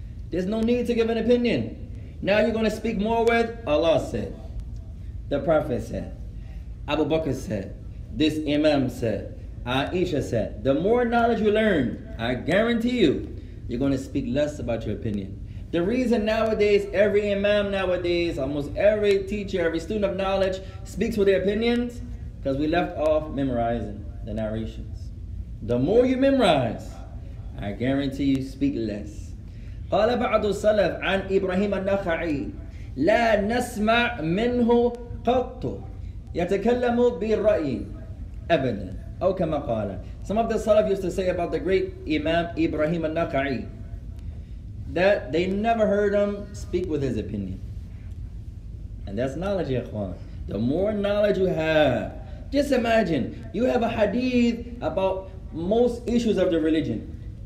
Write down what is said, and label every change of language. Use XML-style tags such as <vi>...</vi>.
<en>There's no need to give an opinion. Now you're going to speak more with Allah said, the Prophet said, Abu Bakr said, this Imam said, Aisha said, the more knowledge you learn, I guarantee you, you're going to speak less about your opinion. The reason nowadays, every imam nowadays, almost every teacher, every student of knowledge speaks with their opinions, because we left off memorizing the narrations. The more you memorize, I guarantee you speak less.</en> <ar>قال بعض السلف عن إبراهيم النخعي لا نسمع منه قط يتكلم بالرأي أبدا أو كما قال.</ar> <en>Some of the Salaf used to say about the great Imam Ibrahim al-Naqai that they never heard him speak with his opinion. And that's knowledge, ya Ikhwan. The more knowledge you have, just imagine, you have a hadith about most issues of the religion.</en>